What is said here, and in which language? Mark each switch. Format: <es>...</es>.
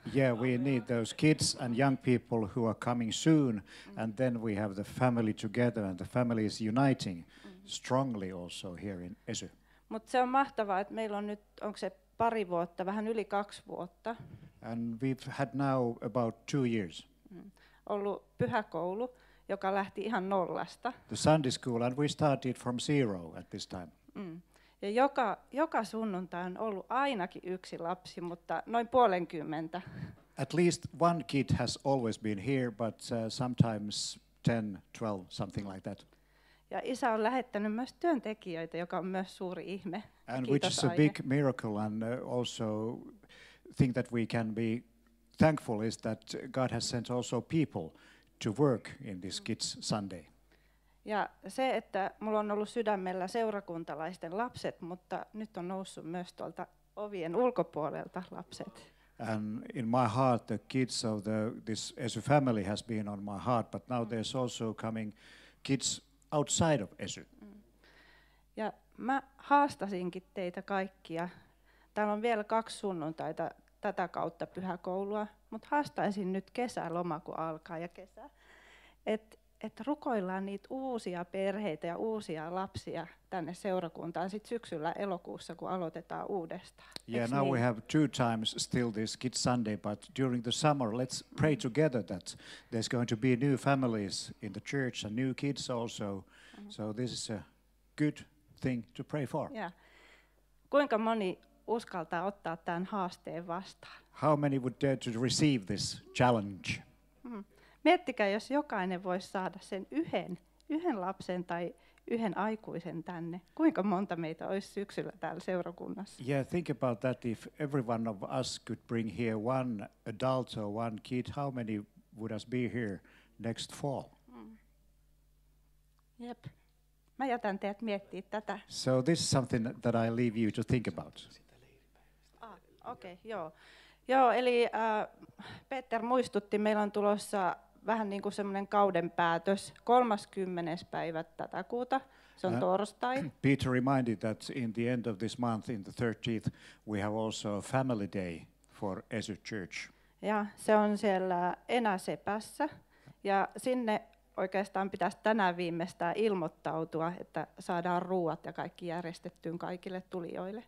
<en>Yeah, we need those kids and young people who are coming soon, and then we have the family together and the family is uniting strongly also here in Esu.</en> <fi>Mutta se on mahtavaa, että meillä on nyt, onko se pari vuotta, vähän yli kaksi vuotta.</fi> <en>And we've had now about 2 years.</en> <fi>Ollut pyhäkoulu, joka lähti ihan nollasta.</fi> <en>The Sunday school and we started from zero at this time.</en> <fi>Ja joka sunnuntai on ollut ainakin yksi lapsi, mutta noin puolenkymmentä.</fi> <en>At least one kid has always been here, but sometimes 10, 12, something like that.</en> <fi>Ja isä on lähettänyt myös työntekijöitä, joka on myös suuri ihme.</fi> <en>And which is a big miracle and also think that we can be thankful is that God has sent also people to work in this Kids Sunday.</en> <fi>Ja se, että mulla on ollut sydämellä seurakuntalaisten lapset, mutta nyt on noussut myös tuolta ovien ulkopuolelta lapset.</fi> <en>And in my heart the kids of this Esu family has been on my heart, but now there's also coming kids outside of Esu.</en> <fi>Ja mä haastasinkin teitä kaikkia. Täällä on vielä kaksi sunnuntaita tätä kautta pyhäkoulua, mutta haastaisin nyt kesäloma, kun alkaa ja kesä, että rukoillaan niitä uusia perheitä ja uusia lapsia tänne seurakuntaan sitten syksyllä elokuussa, kun aloitetaan uudestaan.</fi> <en>Yeah, now</en> <fi>niin?</fi> <en>We have two times still this Kids Sunday, but during the summer let's pray together that there's going to be new families in the church and new kids also. So this is a good thing to pray for. Yeah.</en> <fi>Kuinka moni uskaltaa ottaa tämän haasteen vastaan?</fi> <en>How many would dare to receive this challenge?</en> <fi>Miettikää, jos jokainen voisi saada sen yhden lapsen tai yhden aikuisen tänne. Kuinka monta meitä olisi syksyllä täällä seurakunnassa?</fi> <en>Yeah, think about that. If every one of us could bring here one adult or one kid, how many would us be here next fall? Yep.</en> <fi>Mä jätän teidät miettiä tätä.</fi> <en>So this is something that I leave you to think about.</en> <fi>Okei, okay, joo. Joo, eli Peter muistutti, meillä on tulossa vähän niin kuin semmoinen kauden päätös, 30. päivä tätä kuuta, se on torstai.</fi> <en>Peter reminded that in the end of this month, in the 13th, we have also a family day for Esu Church.</en> <fi>Ja se on siellä Enäsepässä, ja sinne oikeastaan pitäisi tänään viimeistään ilmoittautua, että saadaan ruuat ja kaikki järjestettyyn kaikille tulijoille.</fi>